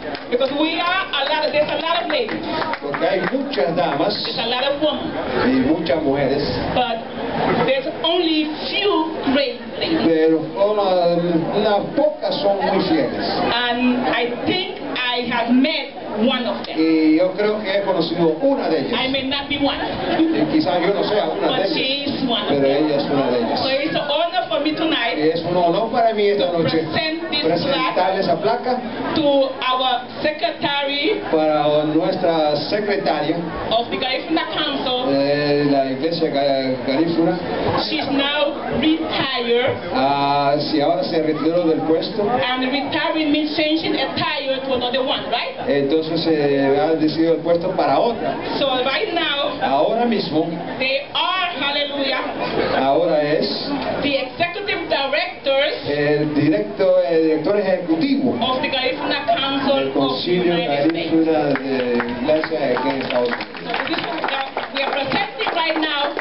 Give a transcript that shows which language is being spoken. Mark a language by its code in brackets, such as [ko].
[en] Because we are a lot. There's a lot of ladies. [es] Porque hay muchas damas. [en] There's a lot of women. [es] Y muchas mujeres. [en] But there's only few great ladies. [es] Pero unas pocas son muy fieles. [en] And I think I have met one of them. [es] Y yo creo que he conocido una de ellas. [en] I may not be one. [es] Y quizás yo no sea una [en] but But she is one. [es] Pero [en] of them. [es] Ella es una de ellas. [en] So it's an honor for me tonight. [es] Es un honor para mí esta noche. [en] Present this [es] presentarle esa placa. [en] To our secretary. [es] Para nuestra secretaria. [en] Of the Garifuna Council. [es] La iglesia Garifuna. [en] She's now retired. [es] Si ahora se retiró del puesto. [en] And retiring means changing a tire to another one, right? [es] Entonces se ha decidido el puesto para otra. [en] So right now. [es] Ahora mismo. [en] They are, hallelujah. [es] Ahora es. [en] The executive directors. [es] El director ejecutivo. [en] Of the Garifuna Council. [es] El Concilio [en] of the United [es] De la Iglesia de aquí en Estados Unidos. [en] So this is what we are presenting right now.